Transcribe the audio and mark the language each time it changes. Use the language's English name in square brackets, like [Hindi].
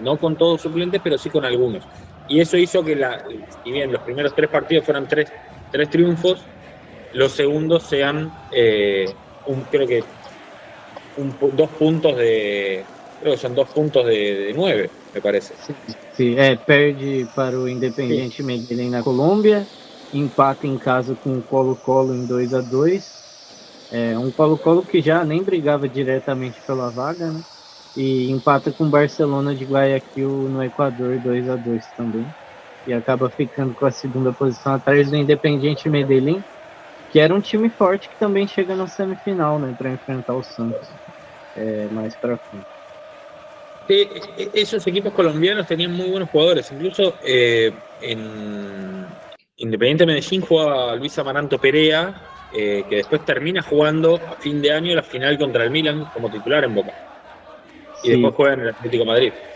[Spanish] No con todos suplentes, pero sí con algunos. Y eso hizo que, si bien los primeros tres partidos fueran tres triunfos, los segundos sean, creo que, dos puntos de... Creo que son dos puntos de 9, me parece. [Portuguese] Sí, perde para o Independiente Medellín na Colômbia, empata em casa com o Colo-Colo em 2-2. Um Colo-Colo que já nem brigava diretamente pela vaga, né? E empata com o Barcelona de Guayaquil no Equador 2-2 também. E acaba ficando com a segunda posição atrás do Independiente Medellín, que era um time forte que também chega na semifinal, né, para enfrentar o Santos mais para frente. [Spanish] Esos equipos colombianos tenían muy buenos jugadores. Incluso en Independiente Medellín jugaba Luis Amaranto Perea, que después termina jugando a fin de año la final contra el Milan como titular en Boca. Y sí. Después juega en el Atlético Madrid.